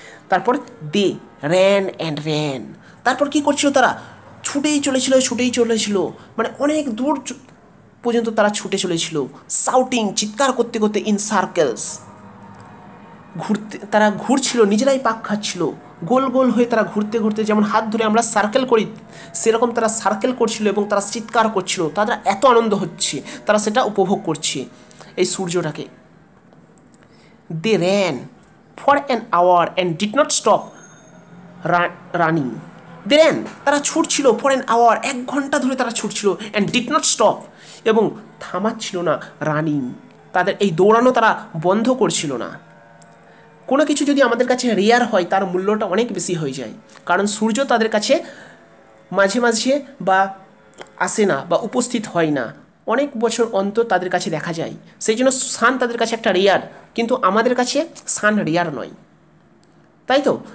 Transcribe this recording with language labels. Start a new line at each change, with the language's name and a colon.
Bangla: তারপর
English: they ran and ran,
Bangla: তারপর কী করছিল, তারা ছুটেই চলেছিল, ছুটেই চলেছিল, মানে অনেক দূর পর্যন্ত তারা ছুটে চলেছিল, সাউটিং, চিৎকার করতে করতে,
English: in circles,
Bangla: ঘুরতে, তারা ঘুরছিল, নিজেরাই পাক খাচ্ছিল, গোল গোল হয়ে তারা ঘুরতে ঘুরতে, যেমন হাত ধরে আমরা সার্কেল করি সেরকম তারা সার্কেল করছিল এবং তারা চিৎকার করছিল, তাদের এত আনন্দ হচ্ছে, তারা সেটা উপভোগ করছে, এই সূর্যটাকে। দে ran,
English: for an hour and did not stop running. Then
Bangla: তারা ছুটছিল
English: for an hour,
Bangla: এক ঘন্টা ধরে তারা ছুটছিল,
English: and did not stop,
Bangla: এবং থামাচ্ছিল না running. তাদের এই দৌড়ানো তারা বন্ধ করছিল না. কোনো কিছু যদি আমাদের কাছে রেয়ার হয় তার মূল্যটা অনেক বেশি হয়ে যায়, কারণ সূর্য তাদের কাছে মাঝে মাঝে বা আসে না বা উপস্থিত হয় না, অনেক বছর অন্তর তাদের কাছে দেখা যায়, সেই জন্য সান তাদের কাছে একটা রেয়ার, কিন্তু আমাদের কাছে সান রেয়ার নয়, তাই তো?